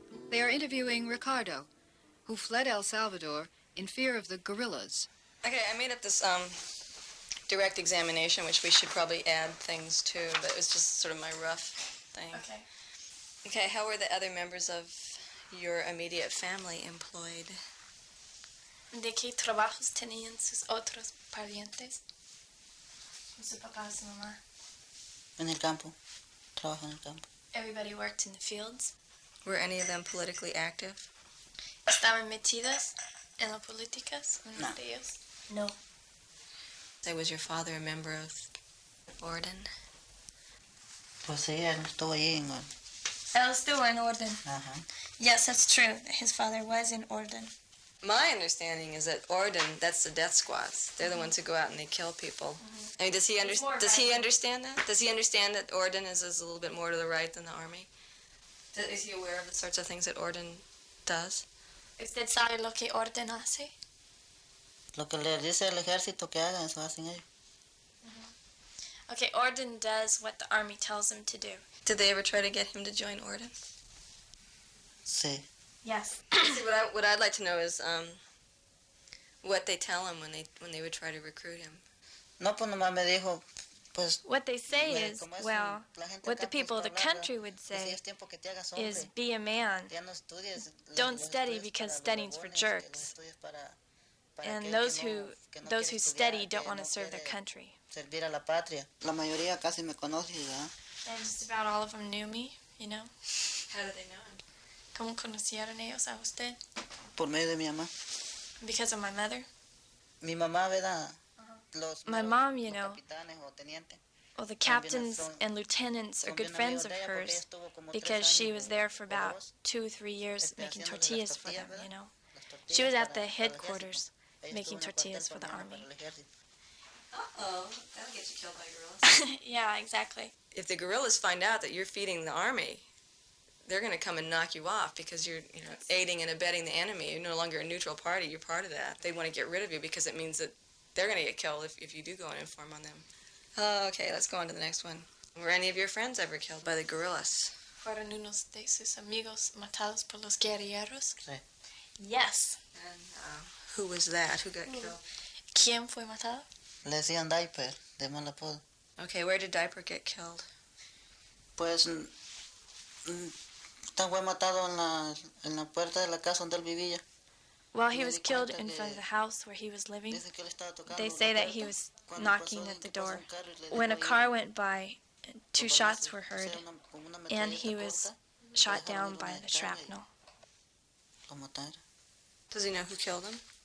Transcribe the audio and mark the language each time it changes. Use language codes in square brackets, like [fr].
[en] They are interviewing Ricardo, who fled El Salvador in fear of the guerrillas. Okay, I made up this direct examination, which we should probably add things to, but it was just sort of my rough thing. Okay, how were the other members of your immediate family employed? [es] ¿De qué trabajos tenían sus otros parientes? Su papá, su mamá. En el campo. Trabajo en el campo. [en] Everybody worked in the fields. Were any of them politically active? [es] ¿Estaban metidas en las políticas? No. De ellos? No. [en] So was your father a member of Orden? [es] Pues sí, él estuvo ahí en Orden. Él estuvo en Orden. Uh-huh. [en] Yes, that's true. His father was in Orden. My understanding is that Orden, that's the death squads. They're the ones who go out and they kill people. Mm-hmm. I mean, does he understand that? Does he understand that Orden is a little bit more to the right than the army? Is he aware of the sorts of things that Orden does? [es] ¿Usted sabe lo que Orden hace? Lo que le dice el ejército que hagan, eso hacen ellos. Mm-hmm. [en] Okay, Orden does what the army tells him to do. Did they ever try to get him to join Orden? [es] Sí. [en] Yes. See, what I'd like to know is what they tell him when they would try to recruit him. [es] No, pues nomás me dijo, pues. [en] What they say is, well, what the people of the country would say is, be a man. Don't study because studying's for jerks. And those who study don't want to serve their country. [es] Servir a la patria. La mayoría casi me conoce, ¿verdad? [en] And just about all of them knew me, you know. How did they know? [es] ¿Cómo conocieron ellos a usted? Por medio de mi mamá. [en] Because of my mother? [es] Mi mamá, ¿verdad? [en] My mom, you know. Well, the captains and lieutenants are good friends of hers because she was there for about 2 or 3 years making tortillas for them, you know. She was at the headquarters making tortillas for the army. Uh-oh, that'll get you killed by gorillas. Yeah, exactly. If the gorillas find out that you're feeding the army, they're going to come and knock you off because you're, you know, aiding and abetting the enemy. You're no longer a neutral party. You're part of that. They want to get rid of you because it means that they're going to get killed if you do go and inform on them. Oh, okay, let's go on to the next one. Were any of your friends ever killed by the guerrillas? [es] ¿Fueron unos de sus amigos matados por los guerrilleros? Sí. [en] Yes. And who was that? Who got killed? [es] ¿Quién fue matado? Le decían Diaper, de mal apodo. [en] Okay, where did Diaper get killed? [es] Pues... fue matado en la puerta de la casa donde él vivía. [en] While he was killed in front of the house where he was living, they say that he was knocking at the door. When a car went by, two shots were heard, and he was shot down by the shrapnel. [es] Lo mataron. [en] Does he know who killed him?